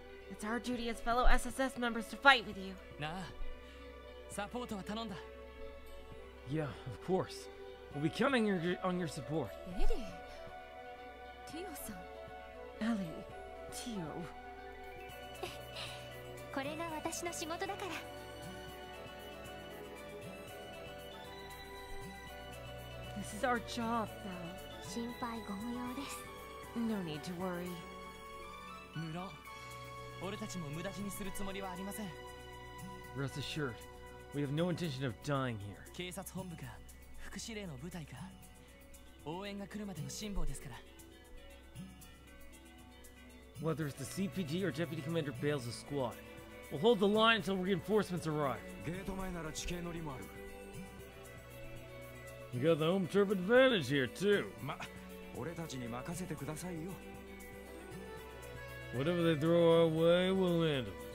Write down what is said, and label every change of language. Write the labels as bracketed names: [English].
[English] It's our duty as fellow SSS members to fight with you. [Japanese] なあ、サポートは頼んだ. [English] Yeah, of course. We'll be counting on your support. Eddie? Tio-san? Ellie? Tio? [Japanese] これが私の仕事だから. [English] This is our job, though. [Japanese] 心配ご無用です. [English] No need to worry. [Japanese] 無論、俺たちも無駄死にするつもりはありません. [English] Rest assured, we have no intention of dying here. [Japanese] 警察本部か?副司令の部隊か? 応援が来るまでの辛抱ですから. [English] Whether it's the CPD or Deputy Commander Bales' squad, we'll hold the line until reinforcements arrive. [Japanese] ゲート前なら地形乗りもある. [English] You got the home turf advantage here, too. [Japanese] ま、俺たちに任せてくださいよ. [English] Whatever they throw our way, we'll handle it.